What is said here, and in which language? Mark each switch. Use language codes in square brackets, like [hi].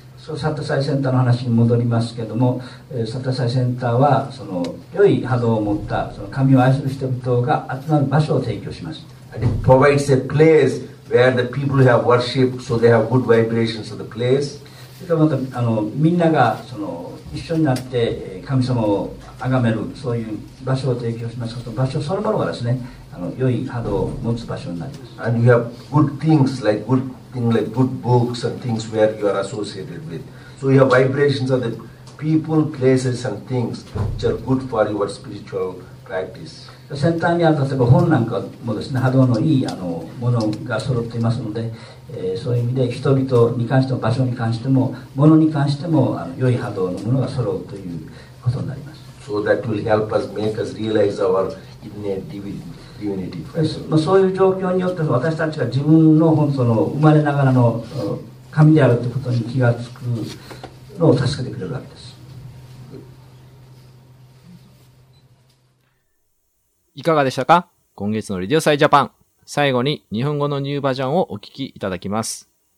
[ja] そうサタサイセンターの話に戻りますけれども、サタサイセンターはその良い波動を持ったその神を愛する人々が集まる場所を提供します。 [en] And it provides a place where the people have worship, so they have good vibrations of the place. [ja] それからまたあのみんながその一緒になって神様を崇めるそういう場所を提供します。その場所そのものがですね、あの良い波動を持つ場所になります。 [en] And you have good things like good. Things like good books and things where you are associated with. So you have vibrations of the people, places and things which are good for your spiritual practice. [ja] センターには例えば本なんかもですね、波動のいいあのものが揃っていますので、そういう意味で人々に関しても場所に関しても物に関してもあの良い波動のものが揃うということになります。 [en] So that will help us make us realize our innate divinity. [ja] そういう状況によって私たちが自分 の, 本当の生まれながらの神であるということに気がつくのを助けてくれるわけです。いかがでしたか。今月のリディオサイジャパン、最後に日本語のニューバージョンをお聞きいただきます。